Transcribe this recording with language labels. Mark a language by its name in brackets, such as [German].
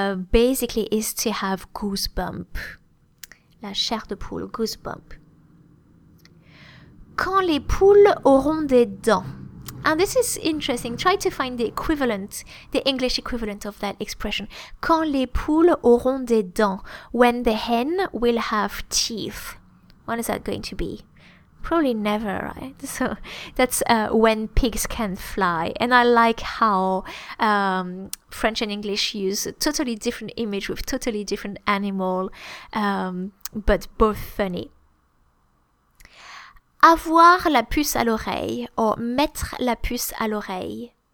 [English] Basically, is to have goosebump. [French] La chair de poule, goosebump. Quand les poules auront des dents. [English] And this is interesting. Try to find the equivalent, the English equivalent of that expression. [French] Quand les poules auront des dents. [English] When the hen will have teeth. When is that going to be? Probably never, right? So that's when pigs can fly. And I like how French and English use a totally different image with totally different animal, but both funny. [French] Avoir la puce à l'oreille, or mettre la puce à l'oreille.